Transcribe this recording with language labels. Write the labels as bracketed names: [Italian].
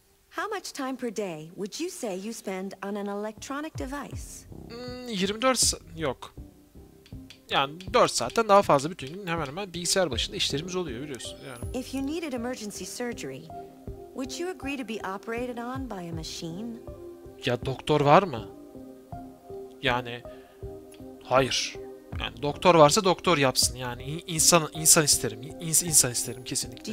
[English] How much time per day would you say you spend on an electronic device? [Turkish] 24 yok. Yani 4 saatten daha fazla bütün gün hemen hemen bilgisayar başında işlerimiz oluyor biliyorsun yani. [English] If you needed emergency surgery, would you agree to be operated on by a machine? [Turkish] Ya doktor var mı? Yani hayır. Yani doktor varsa doktor yapsın yani. İnsan isterim. İnsan isterim kesinlikle.